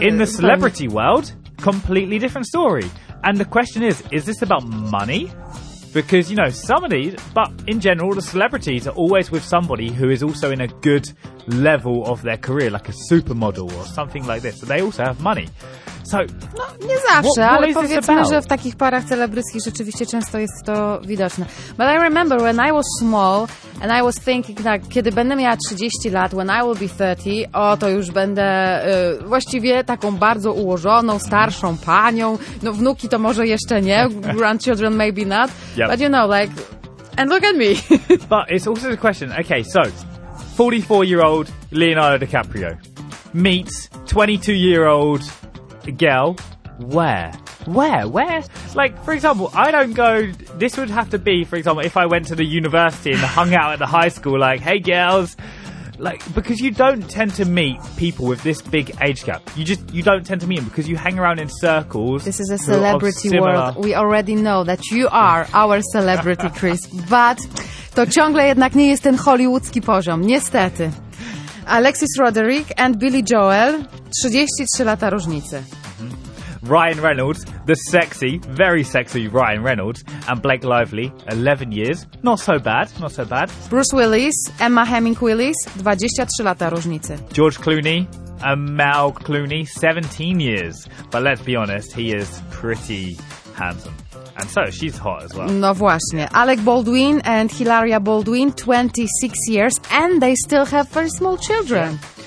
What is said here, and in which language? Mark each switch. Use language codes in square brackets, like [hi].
[en] In the celebrity world, completely different story. And the question is this about money? Because, you know, some of these, but in general, the celebrities are always with somebody who is also in a good level of their career, like a supermodel or something like this. So they also have money. So, [pl] no, nie zawsze, ale powiedzmy, że w takich parach celebryckich rzeczywiście często jest to widoczne. [en] But I remember when I was small and I was thinking, like, [pl] kiedy będę miała 30 lat, [en] when I will be 30, [pl] o, to już będę właściwie taką bardzo ułożoną, starszą panią. No, wnuki to może jeszcze nie, [en] grandchildren maybe not. Yep. But you know, like, and look at me. But it's also the question, okay, so, 44-year-old Leonardo DiCaprio meets 22-year-old girl, where? Like, for example, I don't go, this would have to be, for example, if I went to the university and hung out at the high school, like, hey girls, like, because you don't tend to meet people with this big age gap. You don't tend to meet them because you hang around in circles. This is a celebrity world. We already know that you are our celebrity, Chris. [pl] But to ciągle jednak nie jest ten hollywoodzki poziom, niestety. Alexis Roderick and Billy Joel, 33 lata różnicy. [en] Ryan Reynolds, the sexy, very sexy Ryan Reynolds, and Blake Lively, 11 years. Not so bad. [pl] Bruce Willis, Emma Heming-Willis, 23 lata różnicy. [en] George Clooney, Amal Clooney, 17 years. But let's be honest, he is pretty handsome. And so, she's hot as well. [pl] No właśnie. [en] Alec Baldwin and Hilaria Baldwin, 26 years, and they still have very small children.